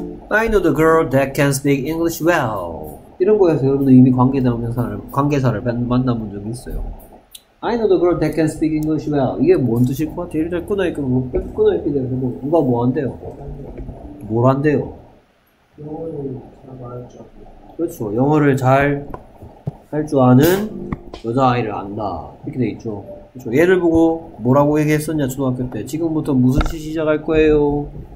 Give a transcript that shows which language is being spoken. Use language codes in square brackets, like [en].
[en] I know the girl that can speak English well. [ko] 이런 거에서 여러분들 이미 관계사를 만나본 적이 있어요. [en] I know the girl that can speak English well. [ko] 이게 뭔 뜻일 것 같아요? 일단 끊어있게 되면 뭐, 누가 뭐 한대요? 뭘 한대요? 영어를 잘 말할 줄 아는. 그렇죠. 영어를 잘 할 줄 아는 여자아이를 안다. 이렇게 돼 있죠. 그렇죠. 얘를 보고 뭐라고 얘기했었냐, 초등학교 때. 지금부터 무슨 시 시작할 거예요?